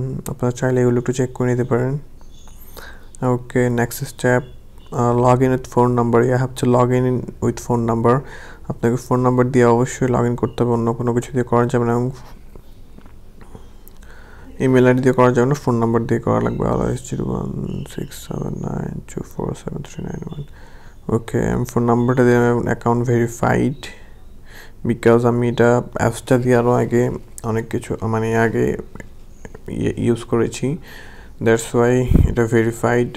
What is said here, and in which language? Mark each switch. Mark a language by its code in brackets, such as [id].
[bn] আপনার চাইলে এগুলো একটু চেক করে নিতে পারেন. [en] Okay, next step. Login with phone number. You have to log in with phone number. [bn] আপনাকে ফোন নাম্বার দিয়ে অবশ্যই লগ ইন করতে হবে, অন্য কোনো কিছু দিয়ে করা যাবে না, এবং ইমেল আইডি দিয়ে করা যাবে না, ফোন নাম্বার দিয়ে করা লাগবে. ARIF'S 01679247391. ওকে, আমি ফোন নাম্বারটা দিয়ে অ্যাকাউন্ট ভেরিফাইড, বিকজ আমি এটা অ্যাপসটা দিয়ে আরও আগে অনেক কিছু মানে আগে ইউজ করেছি, [en] that's why [bn] এটা ভেরিফাইড.